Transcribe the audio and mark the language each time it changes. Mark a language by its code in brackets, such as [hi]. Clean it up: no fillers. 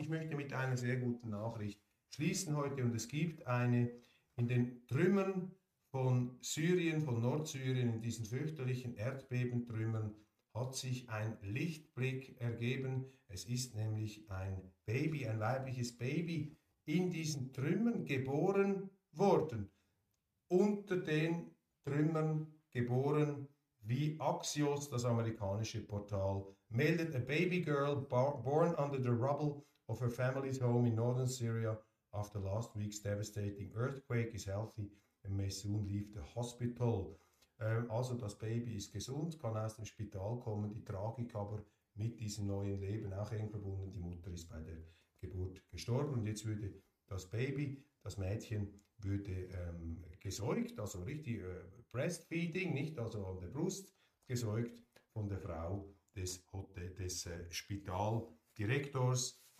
[de] Ich möchte mit einer sehr guten Nachricht schließen heute und es gibt eine in den Trümmern von Syrien, von Nordsyrien, in diesen fürchterlichen Erdbebentrümmern hat sich ein Lichtblick ergeben. Es ist nämlich ein Baby, ein weibliches Baby in diesen Trümmern geboren worden. Unter den Trümmern geboren wie Axios, das amerikanische Portal, meldet: [en] A baby girl born under the rubble of her family's home in northern Syria after last week's devastating earthquake is healthy and may soon leave the hospital. [de] Also das Baby ist gesund, kann aus dem Spital kommen, die Tragik aber mit diesem neuen Leben auch eng verbunden. Die Mutter ist bei der Geburt gestorben und jetzt würde das Baby, das Mädchen, würde gesäugt, also richtig breastfeeding, nicht also an der Brust gesäugt, von der Frau des, Spitaldirektors.